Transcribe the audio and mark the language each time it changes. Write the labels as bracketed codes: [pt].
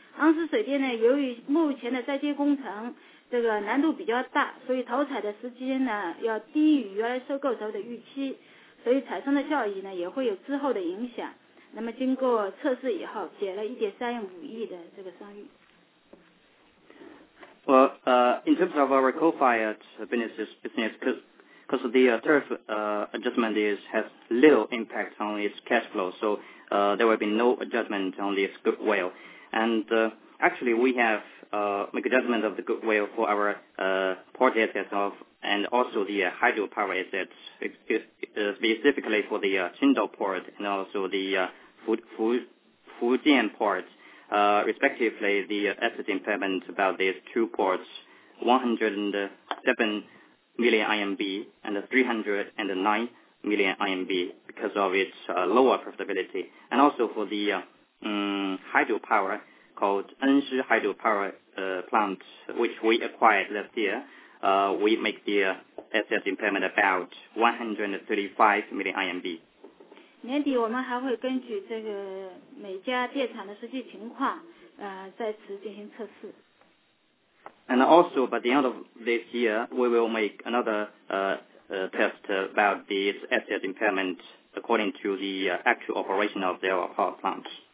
[zh] 恩施水电呢，由于目前的在建工程这个难度比较大，所以投产的时间呢要低于原来收购时候的预期，所以产生的效益呢也会有滞后的影响。那么经过测试以后，减了1.35亿的这个商誉。 [en] Well, in terms of our coal-fired business, because the tariff adjustment has little impact on its cash flow, so there will be no adjustment on this goodwill. And actually, we have make adjustment of the goodwill for our port assets and also the hydropower assets, specifically for the Qingdao port and also the Fujian port. Respectively, the asset impairment about these two ports, 107 million RMB and 309 million RMB because of its lower profitability. And also for the hydropower called Enshi Hydropower Plant, which we acquired last year, we make the asset impairment about 135 million RMB. [zh] 年底我们还会根据这个每家电厂的实际情况，再次进行测试。 [en] And also by the end of this year, we will make another test about this asset impairment according to the actual operation of their power plant.